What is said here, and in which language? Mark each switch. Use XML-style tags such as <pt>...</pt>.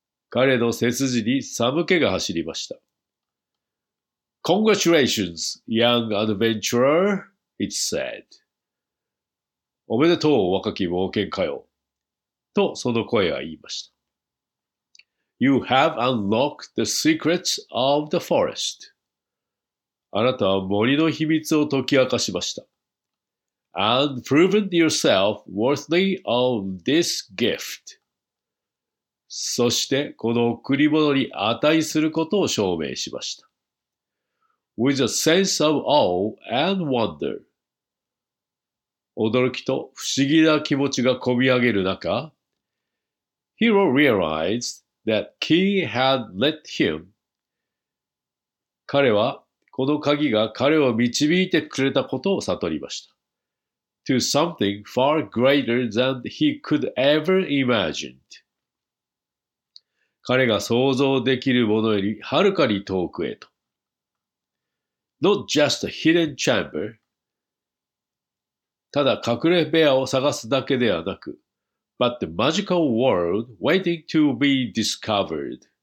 <ja>彼の背筋に寒気が走りました。</ja> <en>Congratulations, young adventurer, it said.</en> <ja>おめでとう、若き冒険家よ。と、その声は言いました。</ja> <en>You have unlocked the secrets of the forest.</en> <ja>あなたは森の秘密を解き明かしました。</ja> <en>And proven yourself worthy of this gift.</en> <ja>そして、この贈り物に値することを証明しました。</ja> <en>With a sense of awe and wonder.</en> <ja>驚きと不思議な気持ちが込み上げる中、</ja> <en>Hiro realized that key had led him.</en> <ja>彼は、この鍵が彼を導いてくれたことを悟りました。</ja> <en>To something far greater than he could ever imagine.</en> <ja>彼が想像できるものよりはるかに遠くへと。</ja> <en>Not just a hidden chamber.</en> <ja>ただ隠れ部屋を探すだけではなく、</ja> <en>But the magical world waiting to be discovered.</en>